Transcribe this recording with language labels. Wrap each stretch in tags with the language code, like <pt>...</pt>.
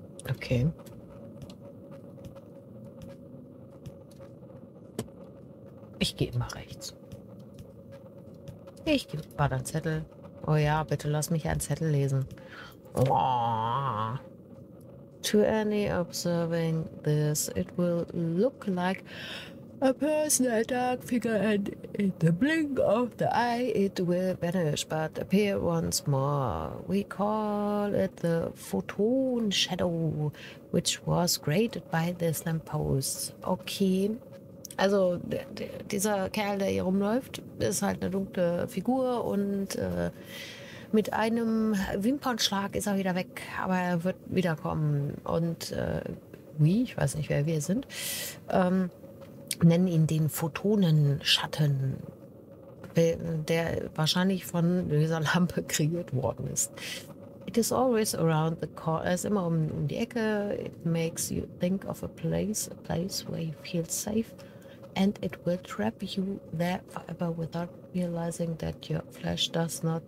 <de>Okay. Ich gehe immer rechts. Ich gebe mal einen Zettel. Oh ja, bitte lass mich einen Zettel lesen. Oh.</de> <en>To any observing this, it will look like a personal dark figure and in the blink of the eye it will vanish but appear once more. We call it the photon shadow, which was created by this lamppost.</en> <de>Okay, also dieser Kerl, der hier rumläuft, ist halt eine dunkle Figur und mit einem Wimpernschlag ist er wieder weg, aber er wird wiederkommen. Und ich weiß nicht, wer wir sind, nennen ihn den Photonenschatten, der wahrscheinlich von dieser Lampe kreiert worden ist.</de> <en>It is always around the corner,</en> <de>er ist immer um die Ecke.</de> <en>It makes you think of a place where you feel safe. And it will trap you there forever without realizing that your flesh does not.</en>